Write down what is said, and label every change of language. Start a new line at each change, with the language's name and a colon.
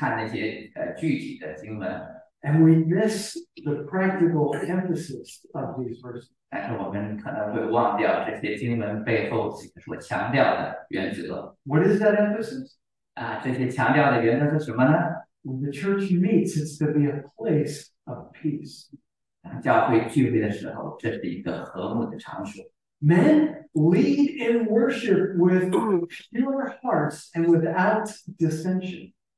Chinese: 我们读经有的时候也是这样，我们就是看那些具体的经文。
English: And we miss the practical emphasis of these verses.
Chinese: 但是我们可能会忘掉这些经文背后所强调的原则。
English: What is that emphasis?
Chinese: 这些强调的原则是什么呢？
English: When the church meets, it's to be a place of peace.
Chinese: 教会聚会的时候，这是一个和睦的场所。
English: Men lead in worship with pure hearts and without dissension.